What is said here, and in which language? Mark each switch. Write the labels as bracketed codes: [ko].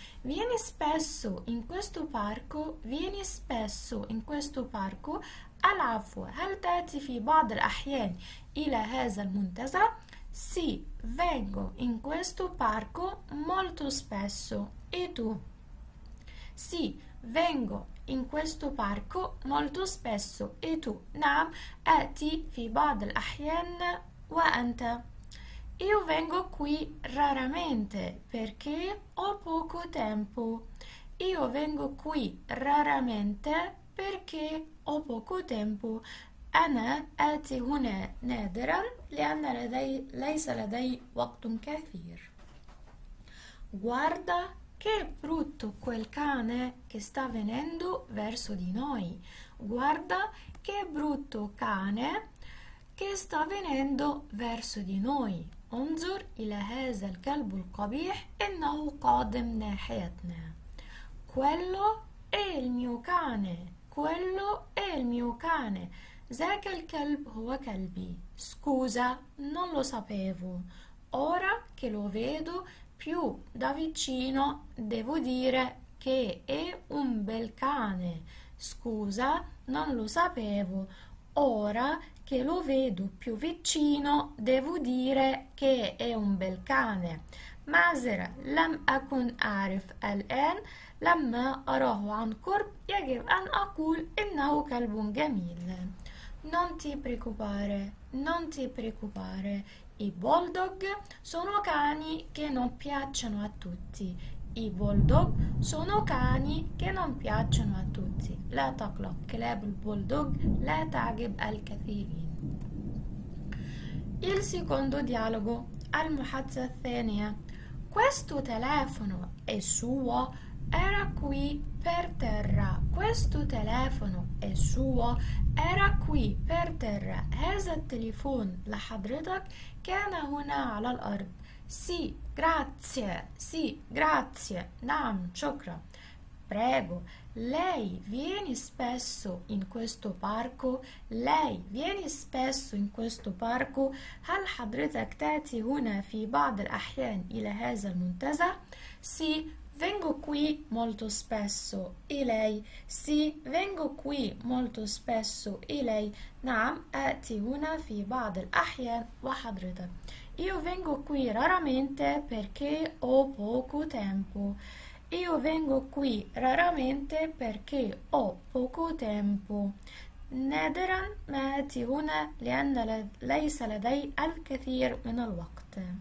[it] Vieni spesso in questo parco? Vieni spesso in questo parco? [ar] العفو، هل تأتي في بعض الأحيان إلى هذا المنتزه؟ [it] Sì, vengo in questo parco molto spesso. E tu? Sì, vengo in questo parco molto spesso. E tu? [ar] نعم، أتي في بعض الأحيان وأنت. [it] Io vengo qui raramente perché ho poco tempo. Io vengo qui raramente perché ho poco tempo. [ar] أنا آتي هنا نادرا لأن ليس لدي وقت كثير. [it] Guarda che brutto quel cane che sta venendo verso di noi. Guarda che brutto cane che sta venendo verso di noi. [ar] انظر إلى هذا الكلب القبيح، إنه قادم ناحيتنا. [it] Quello è il mio cane. Quello è il mio cane. [ar] ذاك الكلب هو كلبي. [it] Scusa, non lo sapevo. Ora che lo vedo più da vicino, devo dire che è un bel cane. Scusa, non lo sapevo. Ora che lo vedo più vicino, devo dire che è un bel cane. [ar] معذرة، لم أكن أعرف الآن. لما أراه عن قرب يجب أن أقول إنه كلب جميل. [it] Non ti preoccupare, non ti preoccupare. I bulldog sono cani che non piacciono a tutti. I bulldog sono cani che non piacciono a tutti. [ar] لا تقلق، كلاب البولدوغ لا تعجب الكثيرين. [it] Il secondo dialogo. [ar] المحادثة الثانية. [it] Questo telefono è suo? Era qui per terra. Questo telefono è suo? Era qui per terra. [ar] هذا التليفون لحضرتك كان هنا على الأرض. [it] Sì, grazie. Sì, grazie. [ar] نعم شكرا. [it] Prego. Lei viene spesso in questo parco? Lei viene spesso in questo parco? [ar] هل حضرتك تأتي هنا في بعض الأحيان إلى هذا المنتزه؟ [it] Sì, vengo qui molto spesso. E lei? Sì, vengo qui molto spesso. E lei? [ar] نعم، أتي هنا في بعض الأحيان وحضرتك. [it] Io vengo qui raramente perché ho poco tempo. Io vengo qui raramente perché ho poco tempo. [ar] Nadiran ma ati huna lianna laysa ladai al-kathir min al-waqt.